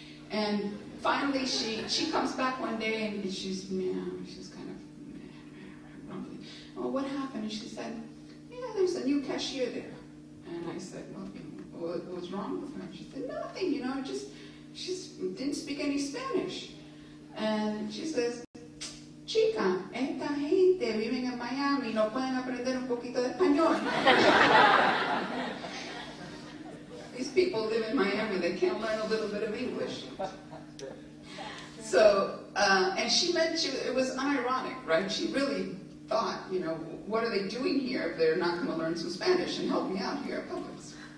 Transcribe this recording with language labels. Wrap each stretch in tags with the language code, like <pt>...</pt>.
<en>And finally, she comes back one day and she's kind of grumbling. Well, what happened? And she said, there's a new cashier there. And I said, what was wrong with her? She said, nothing, she didn't speak any Spanish. And she says,</en> <es>chica, esta gente vive en Miami, no pueden aprender un poquito de español.</es> <en>These people live in Miami, they can't learn a little bit of English. So she meant it was unironic, right? She really thought, what are they doing here if they're not going to learn some Spanish and help me out here at Publix?</en>